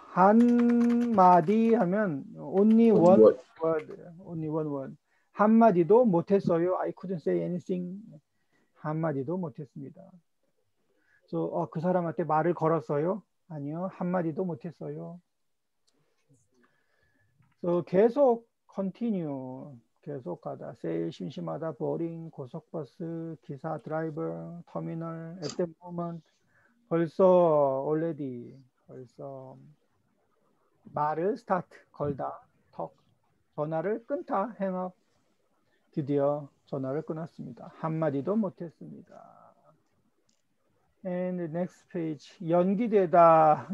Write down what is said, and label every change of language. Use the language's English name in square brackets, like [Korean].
[Korean] 한 마디 하면 [English] only one word. [Korean] 한 마디도 못 했어요. [English] I couldn't say anything. [Korean] 한 마디도 못 했습니다. 그 사람한테 말을 걸었어요? 아니요. 한마디도 못했어요. [English] So, 계속 continue. [Korean] 계속하다. 세일 심심하다. 보링. 고속버스. 기사 드라이버. 터미널. [English] At the moment. [Korean] 벌써. [English] Already. [Korean] 벌써. 말을 start. 걸다. Talk. 전화를 끊다. [English] Hang up. [Korean] 드디어 전화를 끊었습니다. 한마디도 못했습니다. [English] And the next page 연기되다.